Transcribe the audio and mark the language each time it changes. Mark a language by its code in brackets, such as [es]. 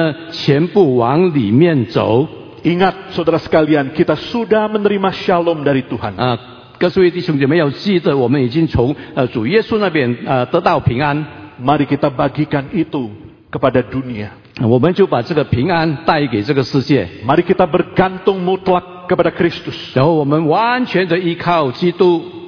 [zh] 是否我们仍然在这个惧怕之中呢仍然把这个焦点呢全部往里面走. [id] Ingat saudara sekalian, kita sudah menerima shalom dari Tuhan. [zh] 各位弟兄姐妹要记得我们已经从主耶稣那边得到平安. [id] Mari kita bagikan itu kepada dunia. [zh] 我们就把这个平安带给这个世界. [id] Mari kita bergantung mutlak kepada Kristus. [zh] 然后我们完全的依靠基督.